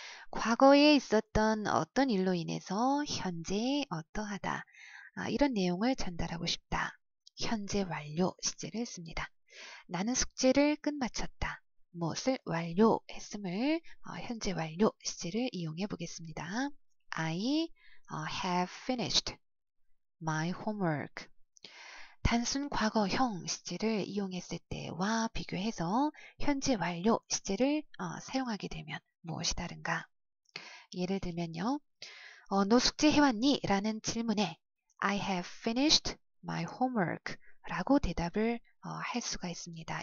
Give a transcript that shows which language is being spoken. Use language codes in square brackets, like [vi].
[ko] 과거에 있었던 어떤 일로 인해서 현재 어떠하다. 이런 내용을 전달하고 싶다. 현재 완료, 시제를 씁니다. 나는 숙제를 끝마쳤다. 무엇을 완료했음을 현재 완료, 시제를 이용해 보겠습니다. [en] I have finished my homework. [ko] 단순 과거형 시제를 이용했을 때와 비교해서 현재 완료 시제를 사용하게 되면 무엇이 다른가? 예를 들면요. 너 숙제해왔니? 라는 질문에 [en] I have finished my homework [ko] 라고 대답을 할 수가 있습니다.